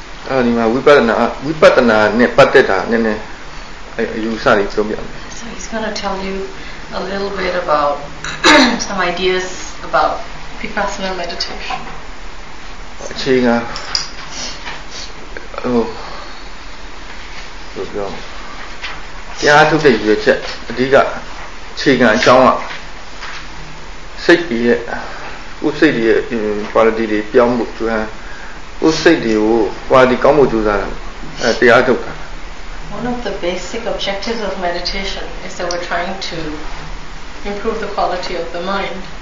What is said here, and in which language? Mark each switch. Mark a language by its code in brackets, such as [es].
[my] အဲ့ဒီမှာဝိပဿနာနဲ့ပတ်သက်တာနည်းနည်းအယူအဆတွေပြောပြမယ် [en] So he's going to tell you a little bit about some ideas about Vipassana meditation [my] အချိန်ကဟိုဘယ်ပြောကျားထုတ်တဲ့ရွေးချက်အဓိကအချိန်ကအကြောင်းကစိတ်ကြီးရဲ့ဥစိတ်ကြီးရဲ့ quality တွေပြောင်းမှုကျွမ်းဥစိတ်တွေကို quality ကောင်းမှုကြိုးစားတာအဲတရားထုတ်တာ [en] One of the basic objectives of meditation is that we're trying to improve the quality of the mind.